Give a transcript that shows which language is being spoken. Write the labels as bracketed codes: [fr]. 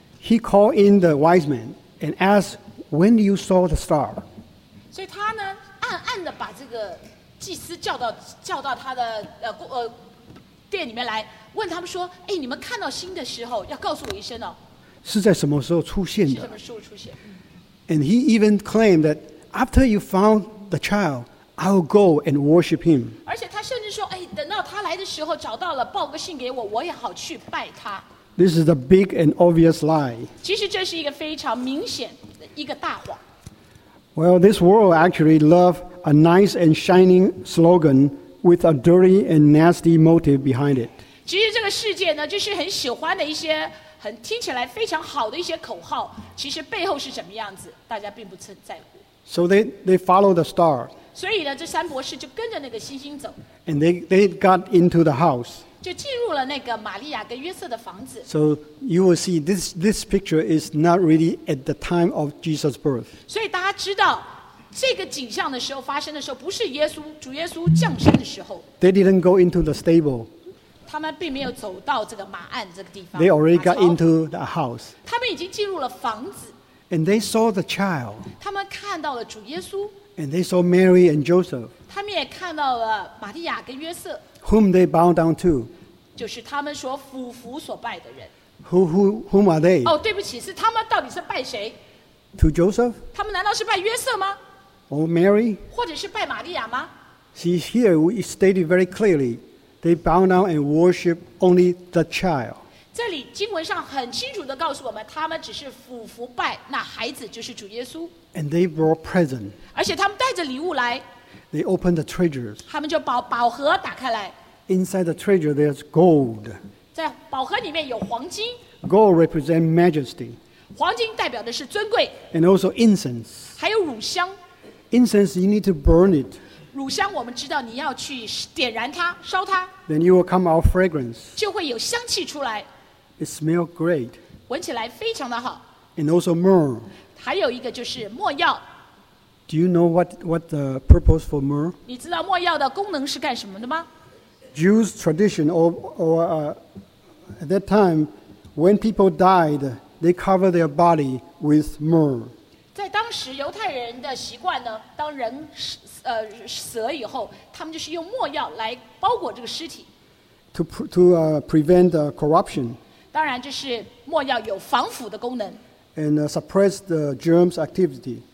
[en] He called in the wise men and asked, "When do you saw the star?" [zh] 所以他呢，暗暗的把这个祭司叫到他的店里面来，问他们说：“哎，你们看到星的时候，要告诉我一声哦。” 是在什么时候出现的？是什么时候出现、 [en] ？And he even claimed that after you found the child. I'll go and worship him. [zh] 而且他甚至说，哎，等到他来的时候找到了，报个信给我，我也好去拜他。 [en] This is a big and obvious lie. [zh] 其实这是一个非常明显的一个大谎。 [en] Well, this world actually loves a nice and shining slogan with a dirty and nasty motive behind it. [zh] 其实这个世界呢，就是很喜欢的一些很听起来非常好的一些口号，其实背后是什么样子，大家并不在乎。 [en] So they follow the star. [zh] 所以呢，这三博士就跟着那个星星走。 [en] And they got into the house. [zh] 就进入了那个玛利亚跟约瑟的房子。 [en] So you will see this picture is not really at the time of Jesus' birth. [zh] 所以大家知道，这个景象的时候发生的时候，不是主耶稣降生的时候。 [en] They didn't go into the stable. [zh] 他们并没有走到这个马鞍这个地方。 [en] They already got into the house. [zh] 他们已经进入了房子。 [en] And they saw the child. [zh] 他们看到了主耶稣。 [en] And they saw Mary and Joseph, [zh] 他们也看到了玛利亚跟约瑟 [en] whom they bowed down to, [zh] 就是他们所俯伏所拜的人 [en] whom are they? [zh] 哦，对不起，是他们到底是拜谁 [en] ？To Joseph? [zh] 他们难道是拜约瑟吗 [en] ？Or Mary? [zh] 或者是拜玛利亚吗 [en] ？See here, we stated very clearly, they bowed down and worshipped only the child. [zh] 这里经文上很清楚地告诉我们，他们只是俯伏拜那孩子，就是主耶稣。 [en] And they brought present. [zh] 而且他们带着礼物来。 [en] They opened the treasures. [zh] 他们就把宝盒打开来。 [en] Inside the treasure, there's gold. [zh] 在宝盒里面有黄金。 [en] Gold represents majesty. [zh] 黄金代表的是尊贵。 [en] And also incense. [zh] 还有乳香。 [en] Incense, you need to burn it. [zh] 乳香我们知道你要去点燃它，烧它。 [en] Then you will come out fragrance. [zh] 就会有香气出来。 [en] It smells great. [zh] 闻起来非常的好。 [en] And also myrrh. [zh] 还有一个就是没药。 [en] Do you know what the purpose for myrrh? [zh] 你知道没药的功能是干什么的吗 [en] ？Jews tradition or at that time when people died, they cover their body with myrrh. [zh] 在当时犹太人的习惯呢，当人死了以后，他们就是用没药来包裹这个尸体。 [en] To prevent the corruption. [zh] 当然，这是没药有防腐的功能。 [en] And suppress the germs activity.